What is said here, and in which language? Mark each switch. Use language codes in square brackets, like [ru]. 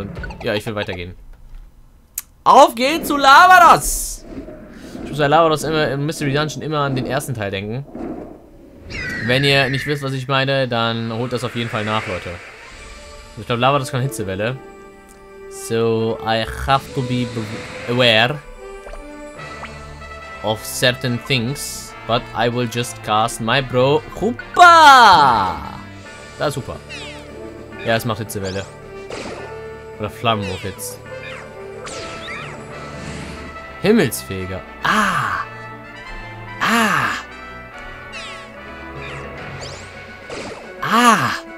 [de] Und ja, ich will weitergehen. Auf geht's zu Lavados! Ich muss bei Lavados immer im Mystery Dungeon immer an den ersten Teil denken. Wenn ihr nicht wisst, was ich meine, dann holt das auf jeden Fall nach, Leute. Ich glaube, Lavados kann Hitzewelle. [en] So, I have to be aware of certain things, but I will just cast my bro Hoopa! [de] Das ist Hoopa. Ja, es macht Hitzewelle. Oder Flammenwurf jetzt. Himmelsfeger. Ah! Ah! Ah!